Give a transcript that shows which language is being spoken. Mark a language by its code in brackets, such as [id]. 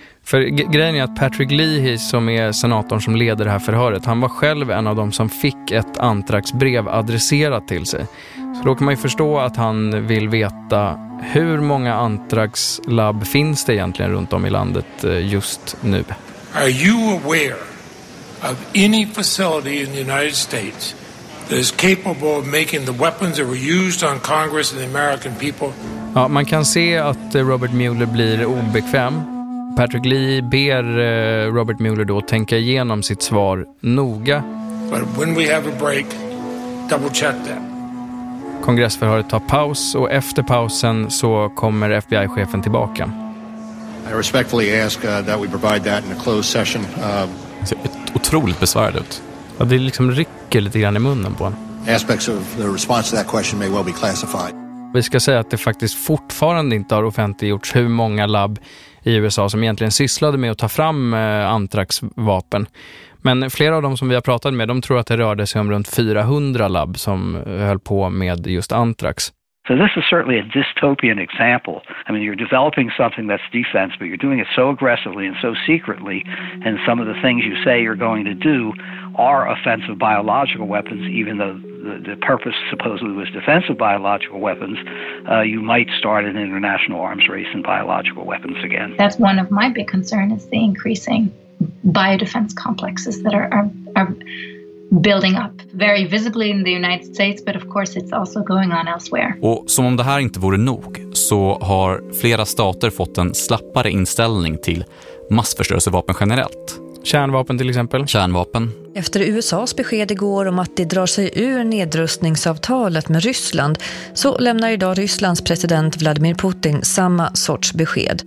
[sv] För grejen är att Patrick Leahy, som är senatorn som leder det här förhöret, han var själv en av dem som fick ett antraxbrev adresserat till sig. Så då kan man ju förstå att han vill veta hur många antraxlabb finns det egentligen runt om i landet just nu. [en] Are you aware of any facility in the United States that is capable of making the weapons that were used on Congress and the American people? [sv] Ja, man kan se att Robert Mueller blir obekväm. Patrick Leahy ber Robert Mueller då tänka igenom sitt svar noga. [en] But when we have a break, double check that. [sv] Kongressförhöret tar paus och efter pausen så kommer FBI-chefen tillbaka. [en] I respectfully ask that we provide that in a closed session. [sv] Otroligt besvärad ut. Ja, det liksom rycker lite grann i munnen på honom. [en] Aspects of the response to that question may well be classified. [sv] Vi ska säga att det faktiskt fortfarande inte har offentliggjorts hur många labb i USA som egentligen sysslade med att ta fram antraxvapen. Men flera av dem som vi har pratat med, de tror att det rörde sig om runt 400 labb som höll på med just antrax. [en] So this is certainly a dystopian example. I mean, you're developing something that's defense, but you're doing it so aggressively and so secretly, and some of the things you say you're going to do are offensive biological weapons, even though the purpose supposedly was defensive biological weapons, you might start an international arms race in biological weapons again. That's one of my big concerns, is the increasing biodefense complexes that are building up very visibly in the United States, but of course it's also going on elsewhere. [sv] Och som om det här inte vore nog så har flera stater fått en slappare inställning till massförstörelsevapen generellt. Kärnvapen till exempel. Kärnvapen. Efter USA:s besked igår om att det drar sig ur nedrustningsavtalet med Ryssland så lämnar idag Rysslands president Vladimir Putin samma sorts besked.